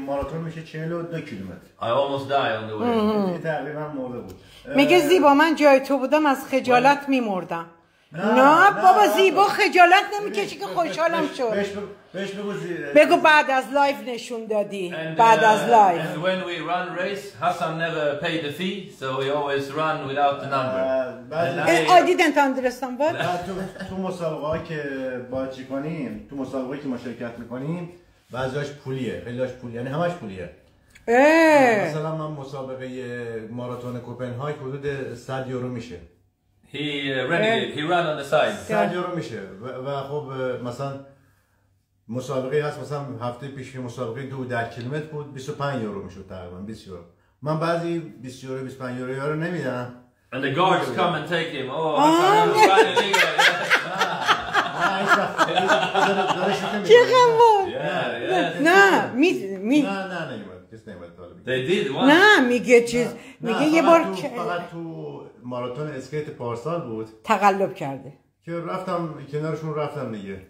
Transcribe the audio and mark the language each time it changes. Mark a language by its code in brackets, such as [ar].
[fa] ماراتون میشه 42 کیلومتر. [en] I almost died on the way. [fa] تقریبا مرده بود. میگه زیبا من جای تو بودم از خجالت میمردم. نه بابا زیبا خجالت نمیکشی که خوشحالم شد. بهش بگو زیره بگو بعد از لایف نشون دادی بعد از لایف [en] And when we run race, Hassan never paid the fee so he always run without the number I didn't understand what? [fa] تو مسابقه که باید چی کنیم تو مسابقه که ما شرکت میکنیم بعضیاش پولیه خیلیاش پولیه یعنی همش پولیه مثلا من مسابقه ماراتون کوپنهاگ حدود 100 یورو میشه [en] He ran on the side [fa] 100 یورو میشه و خب مثلا مسابقه هست مثلا هفته پیش که مسابقه 2-10 کیلومتر بود 25 یورو میشد تقریبا 20 یورو من بعضی 20 یورو 25 یورو یارو نمیدم [en] And the guards come and take him Oh, I'm a Spanish Yeah, yeah [fa] نه نه نه نه [en] They did one. [fa] نه میگه چیز میگه یه بار فقط تو ماراتون اسکیت پارسال بود تقلب کرده که رفتم کنارشون رفتم دیگه